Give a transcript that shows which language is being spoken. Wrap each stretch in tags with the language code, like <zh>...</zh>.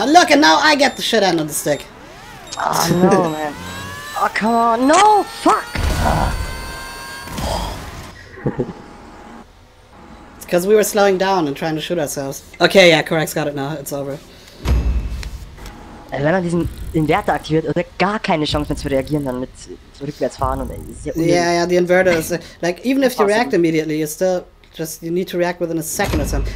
<en>Look, and now I get the shit end of the stick. Oh no, man. Oh, come on. No! Fuck! It's because we were slowing down and trying to shoot ourselves. Okay, yeah, correct. Got it now. It's over.</en> <de>Wenn man diesen Inverter aktiviert, hat er gar keine Chance mehr zu reagieren, dann mit rückwärts fahren und ist ja unnötig.</de> <en>Yeah, yeah, the inverter is like, even if you react immediately, you still just, you need to react within a second or something.</en>